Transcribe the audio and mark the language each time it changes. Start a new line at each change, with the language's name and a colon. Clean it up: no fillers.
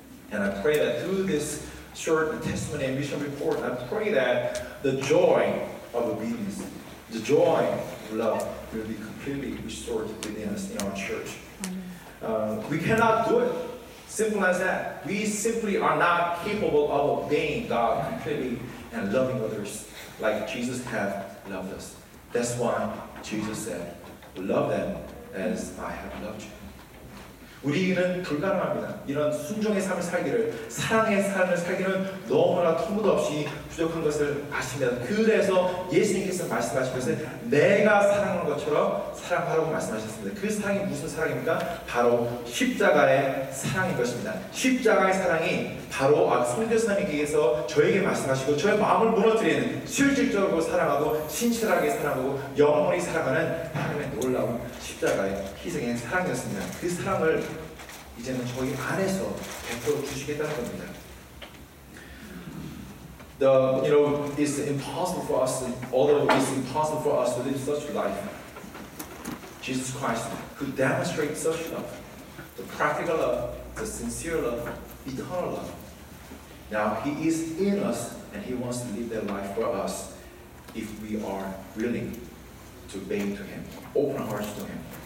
English: And I pray that through this short testimony and mission report, I pray that the joy of obedience, the joy of love will be completely restored within us in our church. We cannot do it. Simple as that. We simply are not capable of obeying God completely and loving others like Jesus has loved us. That's why Jesus said, love them as I have loved you.
Korean: 우리는 불가능합니다. 이런 순종의 삶을 살기를, 사랑의 삶을 살기는 너무나 터무도없이 부족한 것을 아십니다. 그래서 예수님께서 말씀하신 것은 내가 사랑하는 것처럼 사랑하라고 말씀하셨습니다. 그 사랑이 무슨 사랑입니까? 바로 십자가의 사랑인 것입니다. 십자가의 사랑이 바로 성교사님께서 저에게 말씀하시고 저의 마음을 무너뜨리는 실질적으로 사랑하고 신실하게 사랑하고 영원히 사랑하는 하나님의 놀라운 십자가의 희생의 사랑이었습니다. 그 사랑을 이제는 저희 안에서 베풀어 주시겠다는 겁니다.
English: You know, it's impossible for us, although it's impossible for us to live such life. Jesus Christ could demonstrate such love, the practical love, the sincere love, eternal love. Now, He is in us and He wants to live that life for us if we are willing to obey to Him, open our hearts to Him.